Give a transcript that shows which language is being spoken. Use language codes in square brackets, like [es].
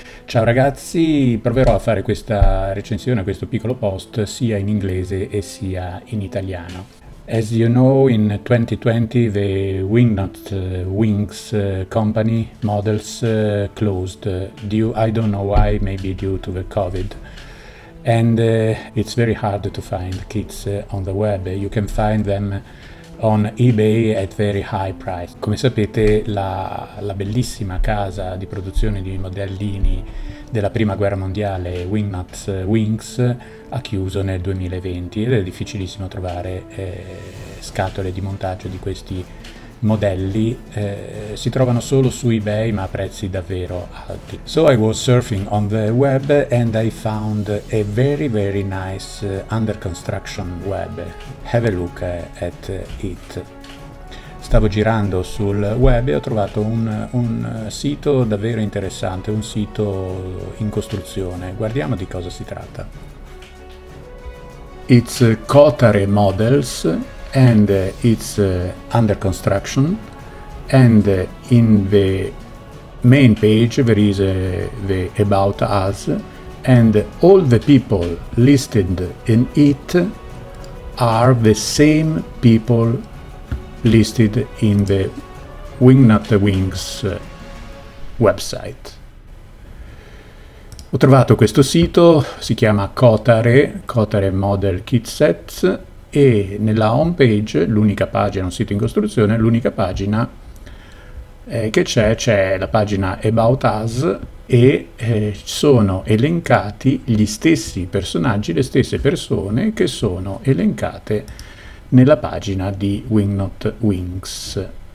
[it] Ciao ragazzi, proverò a fare questa recensione, questo piccolo post, sia in inglese e sia in italiano. [en] As you know, in 2020 the Wingnut Wings company models closed. I don't know why, maybe due to the COVID. And it's very hard to find kits on the web. You can find them on eBay at very high price. [it] Come sapete, la bellissima casa di produzione di modellini della prima guerra mondiale, Wingnut Wings, ha chiuso nel 2020 ed è difficilissimo trovare scatole di montaggio di questi modelli. Si trovano solo su eBay, ma a prezzi davvero alti. [en] So I was surfing on the web and I found a very very nice under construction web. Have a look at it. [it] Stavo girando sul web e ho trovato un sito davvero interessante, un sito in costruzione. Guardiamo di cosa si tratta. [en] It's Cotare Models. And it's under construction, and in the main page there is the about us, and all the people listed in it are the same people listed in the Wingnut Wings website. [it] Ho trovato questo sito, si chiama Cotare Model Kit Sets. E nella home page, l'unica pagina, un sito in costruzione, l'unica pagina che c'è la pagina About Us e sono elencati gli stessi personaggi, le stesse persone che sono elencate nella pagina di Wingnut Wings.